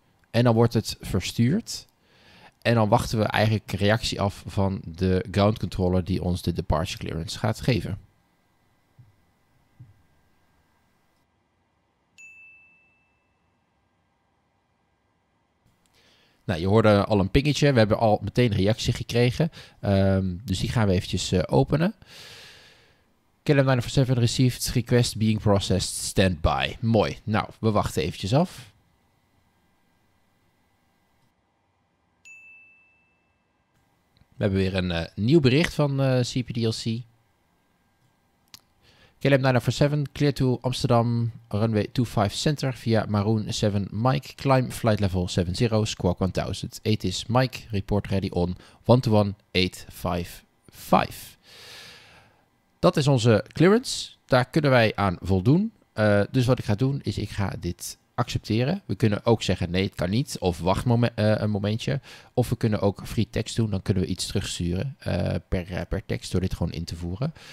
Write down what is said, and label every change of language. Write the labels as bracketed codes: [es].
[nl] En dan wordt het verstuurd. En dan wachten we eigenlijk reactie af van de ground controller die ons de departure clearance gaat geven. Nou, je hoorde al een pingetje. We hebben al meteen reactie gekregen. Dus die gaan we eventjes openen. [en] KLM 947 received request being processed standby. [nl] Mooi. Nou, we wachten eventjes af. We hebben weer een nieuw bericht van CPDLC. [en] KLM 947, clear to Amsterdam, runway 25 center via Maroon 7 Mike, climb flight level 70, squawk 1000. It is Mike, report ready on 11855. [nl] Dat is onze clearance, daar kunnen wij aan voldoen. Dus wat ik ga doen is ik ga dit accepteren. We kunnen ook zeggen nee, het kan niet, of wacht een momentje. Of we kunnen ook free text doen, dan kunnen we iets terugsturen per tekst door dit gewoon in te voeren.